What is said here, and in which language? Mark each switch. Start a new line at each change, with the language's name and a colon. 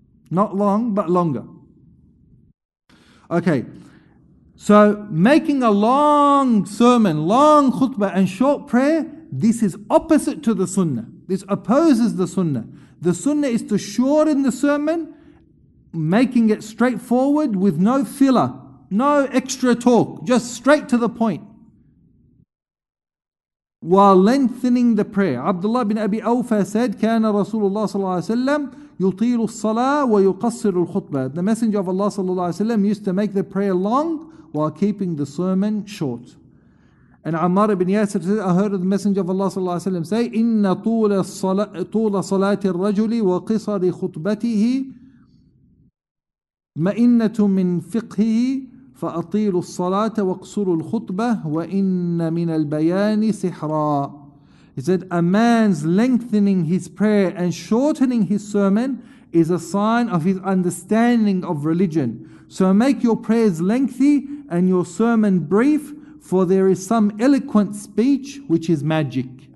English: Not long, but longer. Okay, so making a long sermon, long khutbah and short prayer, this is opposite to the sunnah. This opposes the sunnah. The sunnah is to shorten the sermon, making it straightforward with no filler, no extra talk, just straight to the point. While lengthening the prayer, Abdullah bin Abi Awfa said,
Arabic: كَانَ رَسُولُ اللَّهِ صَلَّى اللَّهُ عَلَيْهِ وَسَلَّمَ يُطِيلُ الصَّلَاةَ وَيُقَصِّرُ الْخُطْبَةَ.
English: The Messenger of Allah
Arabic: صلى الله عليه وسلم
English: used to make the prayer long while keeping the sermon short. And Ammar ibn Yasir said, I heard the Messenger of Allah
Arabic: صلى الله عليه وسلم say, إِنَّ طُولَ صَلَاةِ الرَّجُلِ وَقِصَرِ خُطْبَتِهِ مَئِنَّةٌ مِّنْ فِقْهِهِ فَأَطِيلُ الصَّلَاةَ وَقْصُرُ الْخُطْبَةَ وَإِنَّ مِنَ الْبَيَانِ سِحْرًا.
English: He said, a man's lengthening his prayer and shortening his sermon is a sign of his understanding of religion. So make your prayers lengthy and your sermon brief, for there is some eloquent speech which is magic.